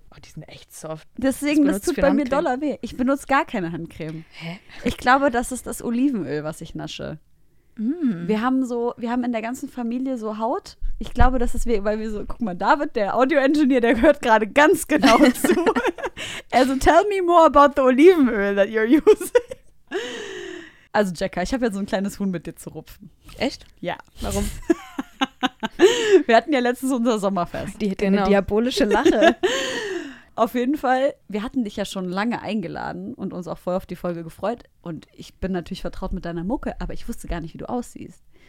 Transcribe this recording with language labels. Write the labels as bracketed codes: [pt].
[de] Oh, die sind echt soft. Deswegen, das tut bei mir doller weh. Ich benutze gar keine Handcreme. Hä? Ich glaube, das ist das Olivenöl, was ich nasche. Mm. Wir haben in der ganzen Familie so Haut. Ich glaube, das ist, weil wir so, guck mal, David, der Audio-Engineer, der hört gerade ganz genau zu. [en] Also tell me more about the Olivenöl that you're using. [de] Also Jacka, ich habe ja so ein kleines Huhn mit dir zu rupfen. Echt? Ja. Warum? Wir hatten ja letztens unser Sommerfest. Die hätte genau. Eine diabolische Lache. Auf jeden Fall, wir hatten dich ja schon lange eingeladen und uns auch voll auf die Folge gefreut. Und ich bin natürlich vertraut mit deiner Mucke, aber ich wusste gar nicht, wie du aussiehst.